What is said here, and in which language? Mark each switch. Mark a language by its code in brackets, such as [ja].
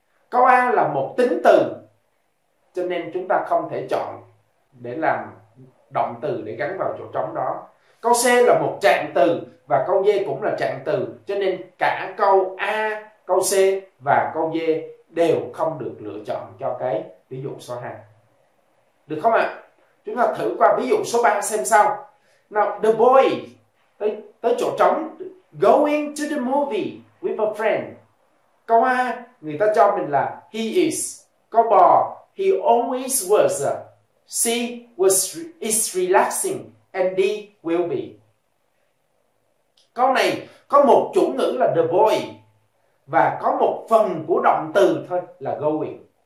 [vi] Câu A là một tính từ, cho nên chúng ta không thể chọn để làm động từ để gắn vào chỗ trống đó. Câu C là một trạng từ và câu D cũng là trạng từ, cho nên cả câu A, câu C và câu D đều không được lựa chọn cho cái ví dụ số 2. Được không ạ? Chúng ta thử qua ví dụ số 3 xem sao. [en] Now, the boy, [vi] tới chỗ trống, [en] going to the movie with a friend. [vi] Câu A, người ta cho mình là [en] he is. [vi] Câu B, [en] he always was. C, is relaxing. And D, will be. [vi] Câu này có một chủ ngữ là the boy. Và có một phần của động từ thôi là going.